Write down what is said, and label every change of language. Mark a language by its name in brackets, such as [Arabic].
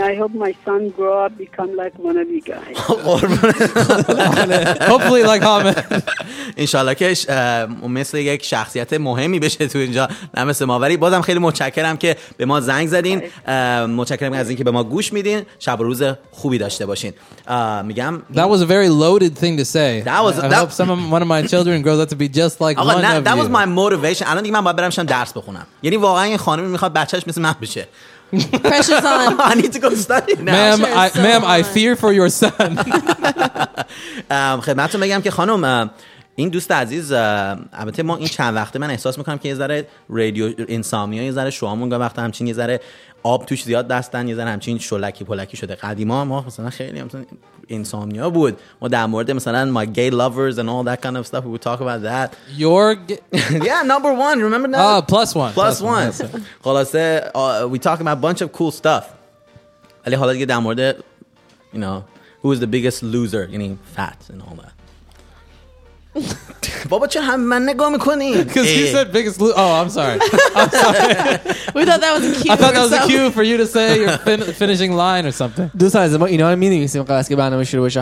[English] I hope my son grow up become like one of you guys. Hopefully like Hamid. [Persian] انشالله که مثل یک شخصیت مهمی بشه تو اینجا، نه مثل ما. ولی بازم خیلی متشکرم که به ما زنگ زدین. متشکرم از اینکه به ما گوش میدین. شب و روز خوبی داشته باشین. میگم [English] That was a very loaded thing to say. I hope one of my children grows up to be just like one of you. That was my motivation. [Persian] الان دیگه من باید برم شام درس بخونم. یعنی واقعا این خانم میخواد بچهش مثل من بشه. [English] Pressure's on. I need to go study now. Ma'am, I fear for your son. [Persian] خدمتتون بگم که خانم این دوست عزیز، البته ما این چند وقته من احساس میکنم که یه ذره رادیو انسامیا، یه ذره شوامون وقت همچین یه ذره آب توش زیاد دستن، یه ذره همچین شلکی پلکی شده. قدیما ما مثلا خیلی مثلا انسامیا بود، ما در مورد مثلا [English] my gay lovers and all that kind of stuff we would talk about that your yeah number one remember that plus one خلاصه we talk about a bunch of cool stuff. [Persian] ولی حالا دیگه در مورد [English] you know who is the biggest loser یعنی fat and all that. [Persian] بابا چرا هم من نگاه میکنی؟ [English] Because he said biggest loser. Oh, I'm sorry. We thought that was a cue. I thought that was a cue for you to say your finishing line or something. [Persian] دوست عزیز ما اینا رو می‌نویسیم قبل از که برنامه شروع بشه.